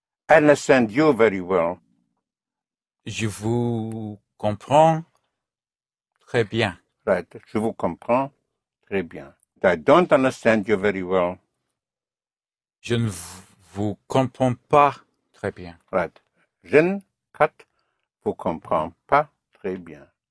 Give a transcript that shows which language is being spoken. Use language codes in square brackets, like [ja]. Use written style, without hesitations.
[en] I understand you very well. [fr] Je vous comprends très bien. Right, je vous comprends très bien. [en] I don't understand you very well. [fr] Je ne vous comprends pas très bien. [en] Right. [fr] Je ne vous comprends pas très bien.